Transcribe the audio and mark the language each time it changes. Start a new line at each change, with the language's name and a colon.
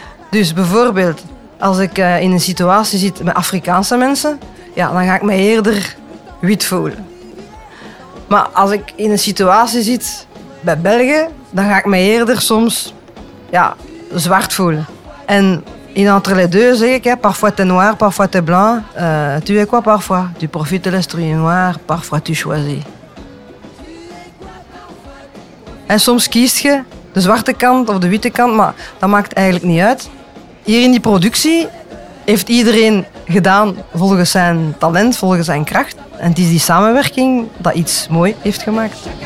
Dutch: Dus bijvoorbeeld, als ik in een situatie zit met Afrikaanse mensen, ja, dan ga ik me eerder wit voelen. Maar als ik in een situatie zit bij Belgen, dan ga ik me eerder soms zwart voelen.
French: En in Entre les deux
Dutch: zeg ik,
French: parfois t'es noir, parfois t'es blanc. Tu es quoi parfois? Tu profites de l'esprit noir, parfois tu choisis.
Dutch: En soms kiest je de zwarte kant of de witte kant, maar dat maakt eigenlijk niet uit. Hier in die productie heeft iedereen gedaan volgens zijn talent, volgens zijn kracht. En het is die samenwerking dat iets mooi heeft gemaakt.